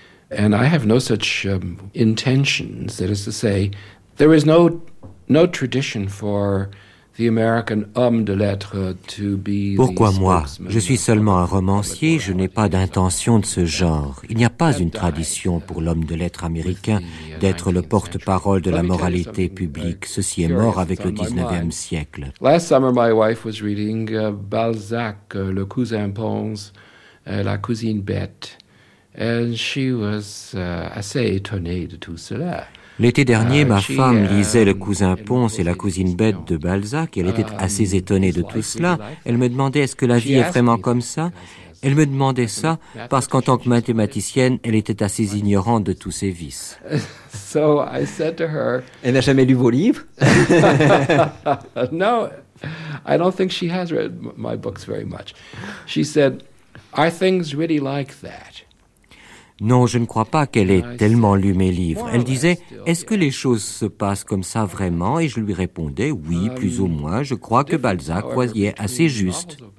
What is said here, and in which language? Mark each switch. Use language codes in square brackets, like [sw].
[en] And I have no such intentions, that is to say, there is no tradition for the American homme de lettres to be. [fr] Pourquoi moi? Je suis seulement un romancier, je n'ai pas d'intention de ce genre. Il n'y a pas une tradition pour l'homme de lettres américain d'être le porte-parole de la moralité publique. Ceci est mort avec le 19e siècle. [en] Last summer, my wife was reading Balzac, Le Cousin Pons, La Cousine Bette, and she was [fr] assez étonnée de tout cela. L'été dernier, ma femme lisait Le Cousin Ponce et La Cousine Bette de Balzac et elle était assez étonnée de tout cela. Elle me demandait, est-ce que la vie est vraiment comme ça? Elle me demandait ça parce qu'en tant que mathématicienne, elle était assez ignorante de tous ses vices. [en] So I said to her, [fr] elle n'a jamais lu vos livres? [en] No, I don't think she has read my books very much. She said, are things really like that? [fr] Non, je ne crois pas qu'elle ait tellement lu mes livres. Elle disait, est-ce que les choses se passent comme ça vraiment? Et je lui répondais, oui, plus ou moins, je crois que Balzac voyait assez juste.